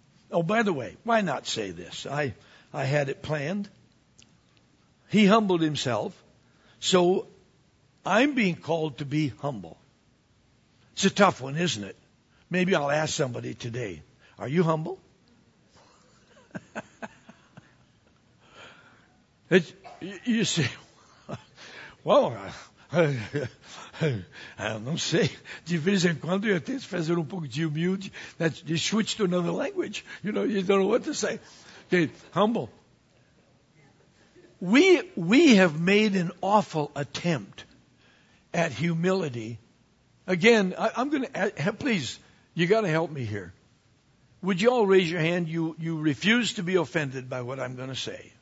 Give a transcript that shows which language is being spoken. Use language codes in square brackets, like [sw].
[en] Oh, by the way, why not say this? I had it planned. He humbled Himself. So, I'm being called to be humble. It's a tough one, isn't it? Maybe I'll ask somebody today, are you humble? You say, well, I don't say, [pt] de vez em quando eu tento fazer um pouco de humilde, [en] you switch to another language. You know, you don't know what to say. Okay, humble. We have made an awful attempt at humility. Again, I'm going to ask, please, you got to help me here. Would you all raise your hand? You refuse to be offended by what I'm going to say.